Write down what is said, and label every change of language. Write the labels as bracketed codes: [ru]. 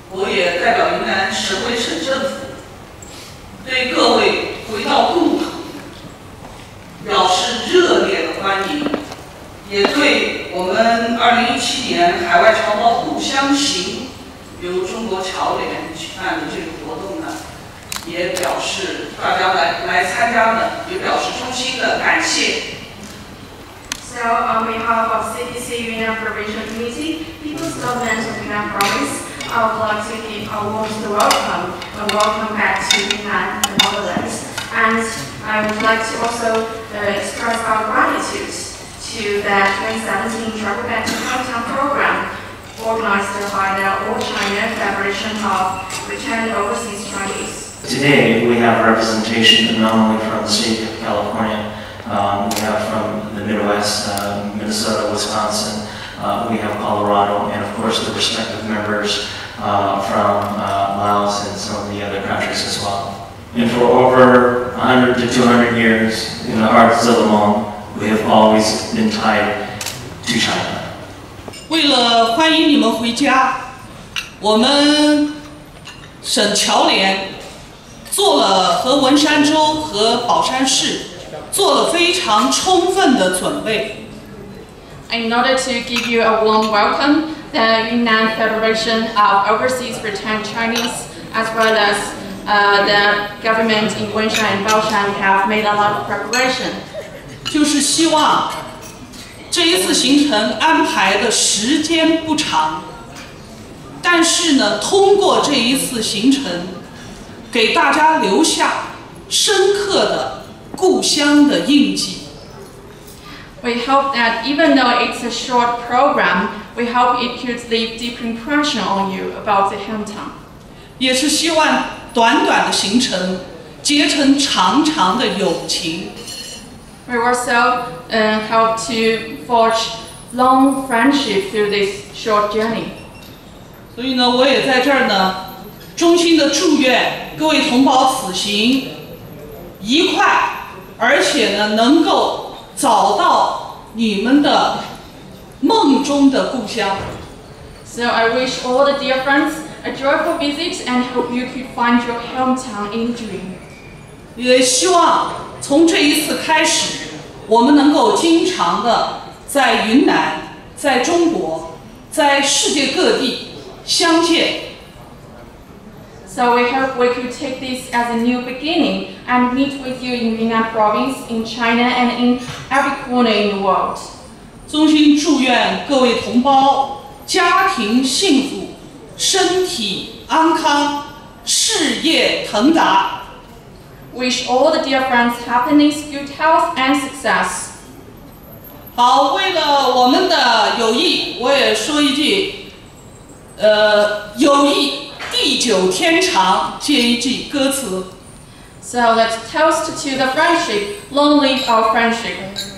[zh] 我也代表云南省会省政府对各位回到故土表示热烈的欢迎也对我们2017年海外侨胞故乡行由中国侨联举办的这个活动呢也表示大家来参加呢，也表示衷心的感谢。 [en] So on behalf of CDC Yunnan Provincial Committee, People's Government of Yunnan Province, I would like to give a warm welcome, a welcome back to Yunnan, the Netherlands, and I would like to also express our gratitude to the 2017 Travel Back to Hometown Program. Organized by the All China Federation of Returned Overseas Chinese. Today, we have representation not only from the state of California, we have from the Midwest, Minnesota, Wisconsin, we have Colorado, and of course the respective members from Laos and some of the other countries as well. And for over 100 to 200 years, in the hearts of the Hmong, we have always been tied to China. [zh] 为了欢迎你们回家，我们省侨联做了和文山州和宝山市做了非常充分的准备。 [en] In order to give you a warm welcome, the Yunnan Federation of Overseas Retained Chinese, as well as the government in Wenshan and Baoshan have made a lot of preparation. [zh] 就是希望这一次行程安排的时间不长，但是呢，通过这一次行程，给大家留下深刻的故乡的印记。 [en] We hope that even though it's a short program, we hope it could leave deep impression on you about the hometown. [zh] 也是希望短短的行程结成长长的友情。 [en] We also hope to forge long friendship through this short journey. [zh] 所以呢，我也在这儿呢，衷心的祝愿各位同胞此行愉快，而且呢，能够找到你们的梦中的故乡。 [en] So I wish all the dear friends a joyful visit and hope you could find your hometown in dream. [zh] 也希望从这一次开始，我们能够经常的在云南、在中国、在世界各地相见。 [en] So we hope we could take this as a new beginning and meet with you in Yunnan province, in China, and in every corner in the world. [zh] 衷心祝愿各位同胞家庭幸福，身体安康，事业腾达。 [en] Wish all the dear friends happiness, good health, and success. [zh] 好，为了我们的友谊，我也说一句，友谊地久天长，接一句歌词。 [en] So let's toast to the friendship, long live our friendship.